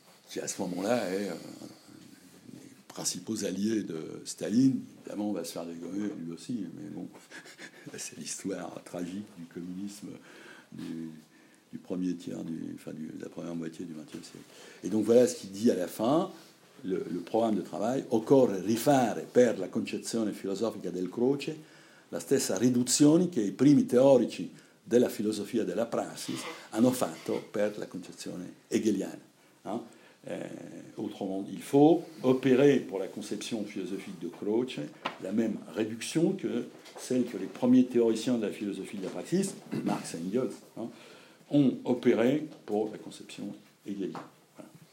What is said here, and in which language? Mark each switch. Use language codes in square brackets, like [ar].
[fr] Qui, à ce moment-là, est un des principaux alliés de Staline. Évidemment, on va se faire dégommer, lui aussi, mais bon... C'est l'histoire tragique du communisme du premier tiers, de la première moitié du XXe siècle. Et donc voilà ce qu'il dit à la fin, le programme de travail. [it] Occorre rifare per la concezione filosofica del Croce la stessa riduzione che i primi teorici della filosofia della praxis hanno fatto per la concezione hegeliana. [fr] Hein? Autrement, il faut opérer pour la conception philosophique de Croce la même réduction que celle que les premiers théoriciens de la philosophie de la praxis, Marx et Engels, hein, ont opéré pour la conception hegelienne. Voilà.